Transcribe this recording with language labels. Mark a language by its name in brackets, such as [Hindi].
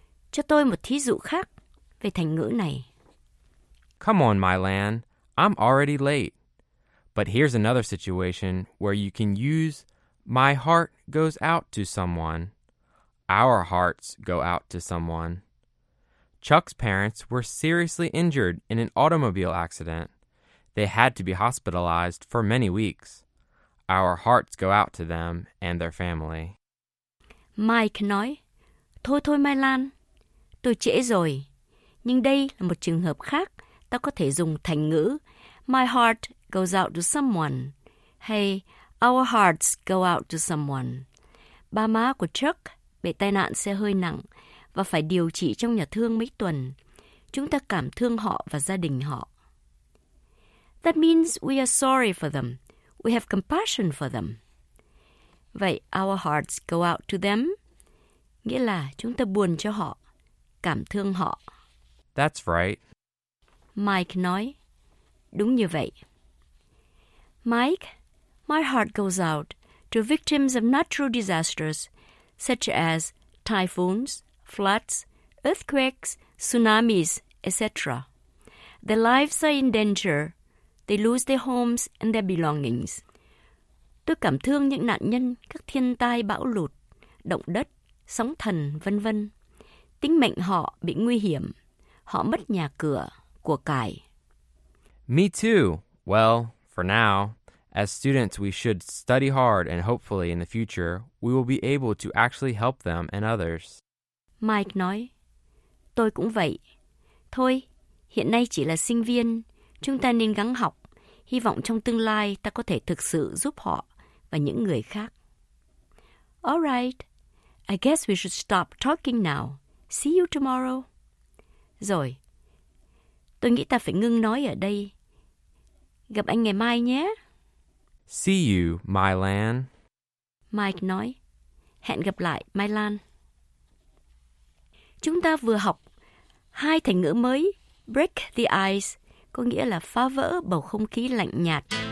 [Vietnamese] Cho tôi một thí dụ khác về thành ngữ này. [English] Come on, my Lan. I'm already late. But here's another situation where you can use my heart goes out to someone. Our hearts go out to someone. Chuck's parents were seriously injured in an automobile accident. They had to be hospitalized for many weeks. Our hearts go out to them and their family. [Vietnamese] Mike nói, Thôi Mai Lan, tôi trễ rồi. Nhưng đây là một trường hợp khác, ta có thể dùng thành ngữ [English] My heart goes out to someone. [Vietnamese] Hay [English] Our hearts go out to someone. [Vietnamese] Ba má của Chuck bị tai nạn xe hơi nặng và phải điều trị trong nhà thương mấy tuần. Chúng ta cảm thương họ và gia đình họ. [English] That means we are sorry for them. We have compassion for them. [Vietnamese] Vậy, [English] our hearts go out to them. [Vietnamese] Nghĩa là chúng ta buồn cho họ, cảm thương họ. [English] That's right. [Vietnamese] Mike nói, đúng như vậy. [English] Mike, my heart goes out to victims of natural disasters such as typhoons, floods, earthquakes, tsunamis, etc. Their lives are in danger. They lose their homes and their belongings. [Vietnamese] Tôi cảm thương những nạn nhân các thiên tai bão lụt, động đất, sóng thần, vân vân. Tính mệnh họ bị nguy hiểm. Họ mất nhà cửa, của cải. [English] Me too. Well, for now, as students, we should study hard and hopefully in the future, we will be able to actually help them and others. [Vietnamese] Mike nói, tôi cũng vậy. Thôi, hiện nay chỉ là sinh viên, chúng ta nên gắng học. Hy vọng trong tương lai ta có thể thực sự giúp họ và những người khác. [English] All right. I guess we should stop talking now. See you tomorrow. [Vietnamese] Rồi. Tôi nghĩ ta phải ngưng nói ở đây. Gặp anh ngày mai nhé. [English] See you, Mylan. [Vietnamese] Mike nói. Hẹn gặp lại, Mylan. Chúng ta vừa học hai thành ngữ mới. [English] Break the ice, [Vietnamese] có nghĩa là phá vỡ bầu không khí lạnh nhạt.